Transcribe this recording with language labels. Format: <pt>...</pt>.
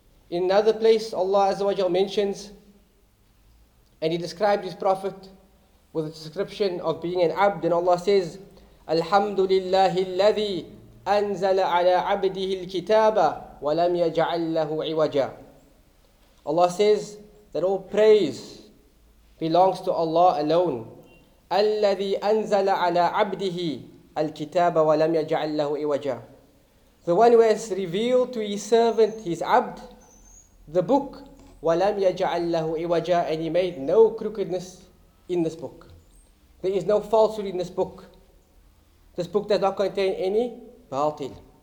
<en>In another place, Allah Azza wa Jal mentions, and He described His Prophet with a description of being an abd, and Allah says,</en> <ar>alhamdulillahi alladhi أنزل على عبده الكتاب ولم يجعل له عوجا.</ar> <en>Allah says that all praise belongs to Allah alone.</en> <ar>الذي أنزل على عبده الكتاب ولم يجعل له عوجا.</ar> <en>The one who has revealed to his servant, his abd, the book,</en> <ar>ولم يجعل له عوجا,</ar> <en>and He made no crookedness in this book. There is no falsehood in this book. This book does not contain any Baatil.</en>